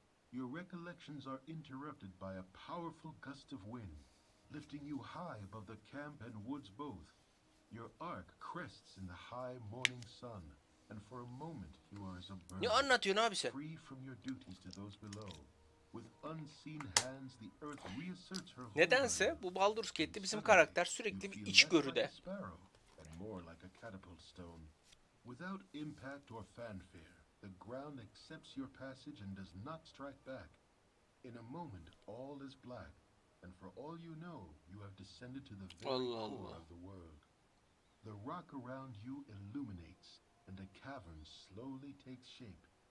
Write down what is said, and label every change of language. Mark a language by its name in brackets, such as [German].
[English] Your recollections are interrupted by a powerful gust of wind, lifting you high above the camp and woods both. Your ark crests in the high morning sun. And for a moment you are as a bird. [Turkish] Ne anlatıyorsun abi sen? [English] Free from your duties to those below. With unseen hands the earth reasserts her hold. [Turkish] Nedense bu Baldur's Gate'de bizim karakter sürekli bir içgörüde. [English] More like a catapult stone. Without impact or fanfare, the ground accepts your passage and does not strike back. In a moment all is black and for all you know you have descended to the very core of the world. The rock around you illuminates. And a cavern slowly takes shape.